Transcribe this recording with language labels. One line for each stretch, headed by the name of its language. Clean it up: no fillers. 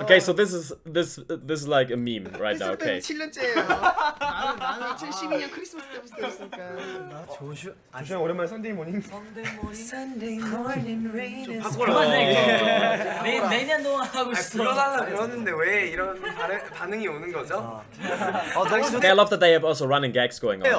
English: Okay, so this is like a meme right now. Okay.
Korean: 7년째예요. 나는 2012년 크리스마스 때부터 있으니까. 나 조슈. 조슈야 오랜만에
English: Sunday morning. Sunday morning rain is falling.
Korean: 내년 동안 하고 싶어. 불러달라 그러는데 왜 이런 반응이 오는 거죠?
English: 어, they love that they have also running gags going on.